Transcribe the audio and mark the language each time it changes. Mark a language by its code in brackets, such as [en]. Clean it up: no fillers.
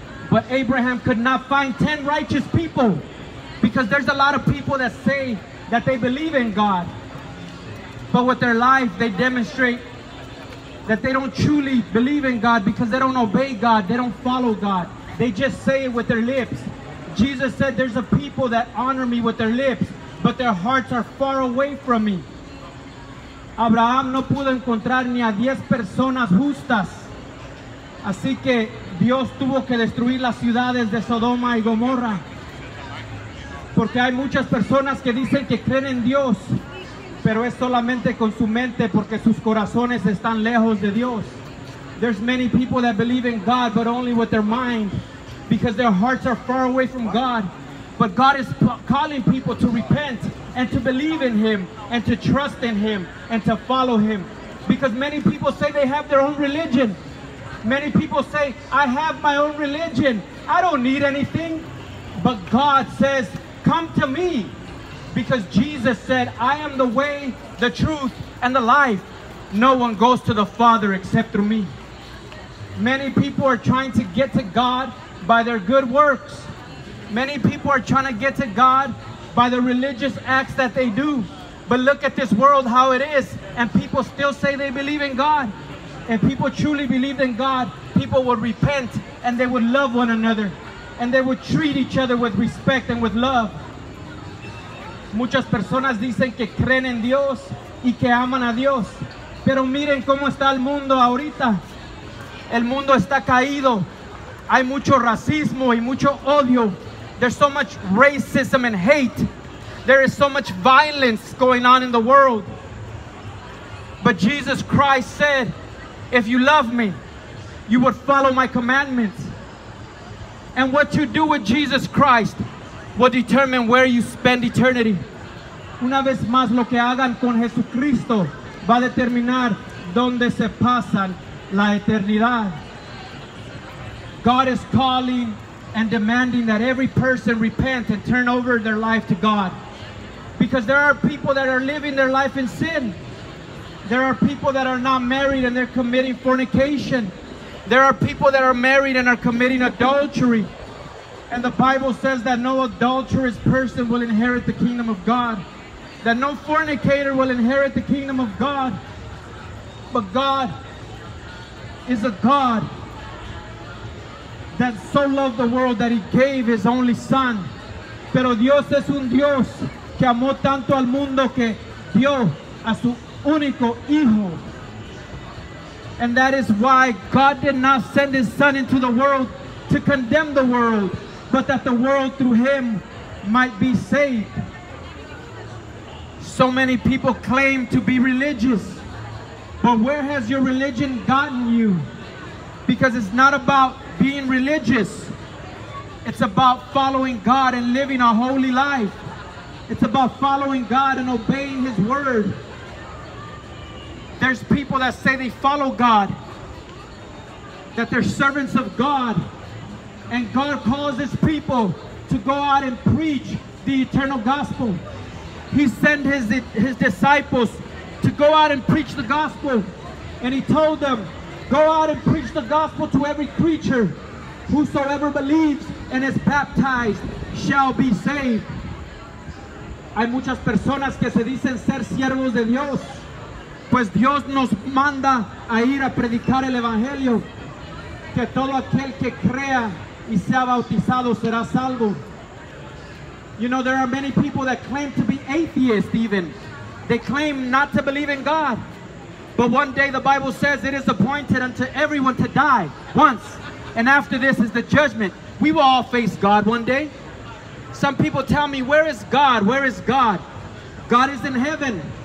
[en] But Abraham could not find 10 righteous people, because there's a lot of people that say that they believe in God, but with their life, they demonstrate that they don't truly believe in God, because they don't obey God. They don't follow God. They just say it with their lips. Jesus said, there's a people that honor me with their lips, but their hearts are far away from me. [es] Abraham no pudo encontrar ni a 10 personas justas. Así que Dios tuvo que destruir las ciudades de Sodoma y Gomorra. Porque hay muchas personas que dicen que creen en Dios, pero es solamente con su mente, porque sus corazones están lejos de Dios. [en] There's many people that believe in God, but only with their mind, because their hearts are far away from God. But God is calling people to repent and to believe in Him and to trust in Him and to follow Him. Because many people say they have their own religion. Many people say, I have my own religion. I don't need anything. But God says, come to me. Because Jesus said, I am the way, the truth, and the life. No one goes to the Father except through me. Many people are trying to get to God by their good works. Many people are trying to get to God by the religious acts that they do. But look at this world, how it is, and people still say they believe in God. If people truly believed in God, people would repent and they would love one another and they would treat each other with respect and with love. [es] Muchas personas dicen que creen en Dios y que aman a Dios. Pero miren cómo está el mundo ahorita. El mundo está caído. Hay mucho racismo y mucho odio. [en] There's so much racism and hate. There is so much violence going on in the world. But Jesus Christ said, if you love me, you would follow my commandments. And what you do with Jesus Christ will determine where you spend eternity. [es] Una vez más, lo que hagan con Jesucristo va a determinar dónde se pasan la eternidad. [en] God is calling and demanding that every person repent and turn over their life to God. Because there are people that are living their life in sin. There are people that are not married and they're committing fornication. There are people that are married and are committing adultery. And the Bible says that no adulterous person will inherit the kingdom of God. That no fornicator will inherit the kingdom of God. But God is a God that so loved the world that he gave his only son. [es] Pero Dios es un Dios que amó tanto al mundo que dio a su único hijo. [en] And that is why God did not send his son into the world to condemn the world, but that the world through him might be saved. So many people claim to be religious, but where has your religion gotten you? Because it's not about being religious. It's about following God and living a holy life. It's about following God and obeying His word. There's people that say they follow God, that they're servants of God, and God calls His people to go out and preach the eternal gospel. He sent His disciples to go out and preach the gospel, and He told them, go out and preach the gospel to every creature. Whosoever believes and is baptized shall be saved. [es] Hay muchas personas que se dicen ser siervos de Dios, pues Dios nos manda a ir a predicar el evangelio, que todo aquel que crea y sea bautizado será salvo. [en] You know, there are many people that claim to be atheists even. They claim not to believe in God. But one day the Bible says it is appointed unto everyone to die once. And after this is the judgment. We will all face God one day. Some people tell me, where is God? Where is God? God is in heaven.